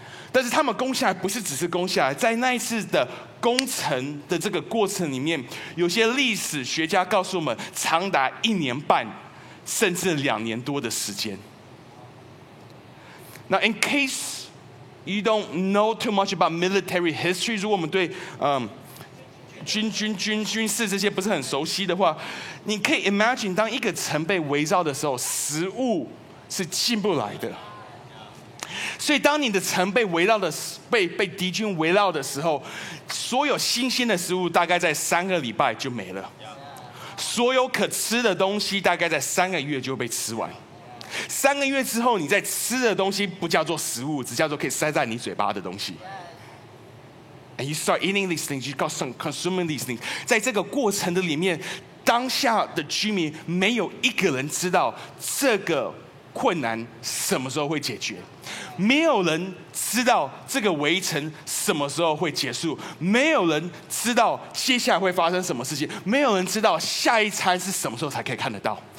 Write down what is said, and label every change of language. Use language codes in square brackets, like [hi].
[zh] 但是他们攻下来不是只是攻下来，在那一次的攻城的这个过程里面，有些历史学家告诉我们，长达一年半，甚至两年多的时间。 [en] Now in case。 You don't know too much about military history. [zh] 如果我们对军事这些不是很熟悉的话，你可以 [en] imagine [zh] 当一个城被围绕的时候，食物是进不来的。所以当你的城被围绕的被敌军围绕的时候，所有新鲜的食物大概在三个礼拜就没了，所有可吃的东西大概在三个月就被吃完。三个月之后，你在吃的东西不叫做食物，只叫做可以塞在你嘴巴的东西。 [en] And you start eating these things, you got some consuming these things. [zh] 在这个过程的里面，当下的居民没有一个人知道这个困难什么时候会解决，没有人知道这个围城什么时候会结束，没有人知道接下来会发生什么事情，没有人知道下一餐是什么时候才可以看得到。